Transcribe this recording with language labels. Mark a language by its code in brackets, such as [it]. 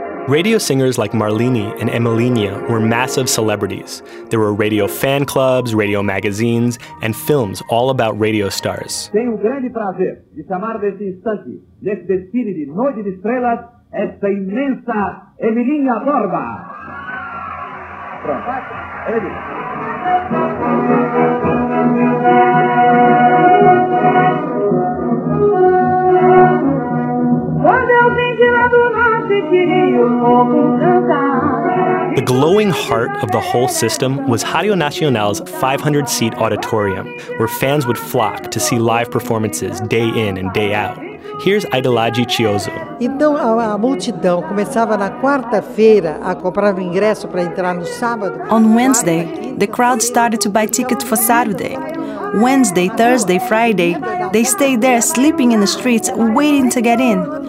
[en] Radio singers like Marlene and Emelinha were massive celebrities. There were radio fan clubs, radio magazines, and films all about radio stars. [pt] Tenho grande prazer de chamar nesse instante, nesse desfile de noite de estrelas, esta imensa Emelinha Borba. [en] The glowing heart of the whole system was Rádio Nacional's 500-seat auditorium, where fans would flock to see live performances day in and day out. Here's Idolaji Chioso. [pt] Então a multidão começava na quarta-feira a comprar o ingresso para entrar no sábado. [en] On Wednesday, the crowd started to buy tickets for Saturday. Wednesday, Thursday, Friday, they stayed there sleeping in the streets waiting to get in.